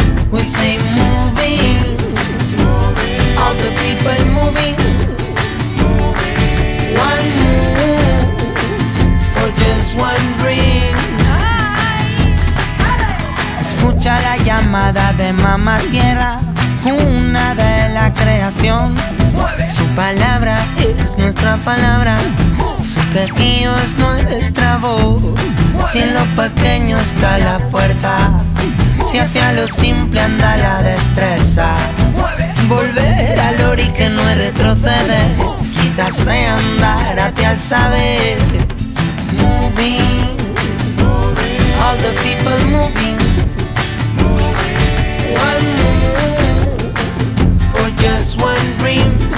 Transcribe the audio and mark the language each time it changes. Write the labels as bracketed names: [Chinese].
[English] We say moving, all the people moving. One move for just one dream. [Spanish] Escucha la llamada de mamá tierra, cuna de la creación. Su palabra es nuestra palabra. Su quejío es nuestra voz. Si en lo pequeño está la fuerza, si hacia lo simple anda la destreza. Volver al ori que no es retroceder, quizás sea andar hacia el saber. [English] Moving, all the people moving. One move for just one dream.